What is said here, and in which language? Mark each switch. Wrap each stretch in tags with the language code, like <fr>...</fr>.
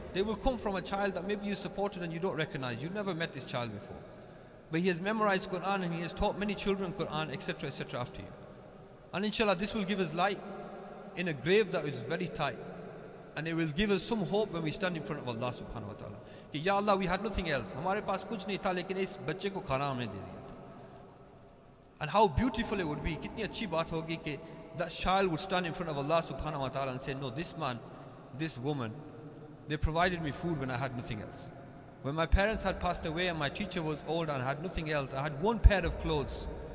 <en>They will come from a child that maybe you supported and you don't recognize. You've never met this child before. But he has memorized Quran and he has taught many children Quran, etc., etc., after you. And inshallah, this will give us light in a grave that is very tight. And it will give us some hope when we stand in front of Allah subhanahu wa ta'ala. Ki, "Ya Allah, we had nothing else.</en> <ur>ہمارے پاس کچھ نہیں تھا، لیکن اس بچے کو کھانا ہم نے دے دیا تھا۔"</ur> <en>And how beautiful it would be,</en> <ur>kitni achhi baat hogi ki</ur> <en>that child would stand in front of Allah subhanahu wa ta'ala and say, "No, this man, this woman, they provided me food when I had nothing else. When my parents had passed away and my teacher was old and I had nothing else, I had one pair of clothes.</en>